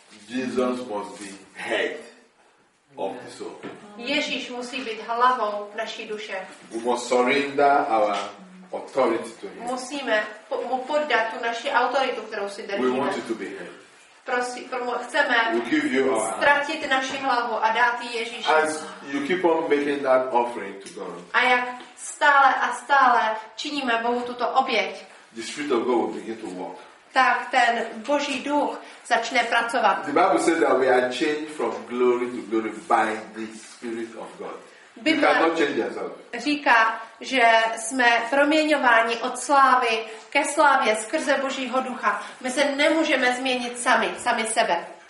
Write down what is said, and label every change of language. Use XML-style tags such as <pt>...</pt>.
<en>Jesus must be head of the soul.</en> <cs>Ježíš musí být hlavou naší duše.</cs> <en>We must surrender our authority to him.</en> <cs>Musíme mu poddat tu naši autoritu, kterou si držíme.</cs> <en>We want it to be head.</en> <cs>Prosím, chceme ztratit naši hlavu a dát ji Ježíši.</cs> <en>As you keep on making that offering to God.</en> <cs>A jak stále a stále činíme Bohu tuto oběť.</cs> <en>The Spirit of God will begin to work.</en> <cs>Tak ten Boží duch začne pracovat.</cs> <en>The Bible says that we are changed from glory to glory by the Spirit of God.</en> <cs>Bible říká, že jsme proměňováni od slávy ke slávě skrze Božího ducha. My se nemůžeme změnit sami sebe.</cs>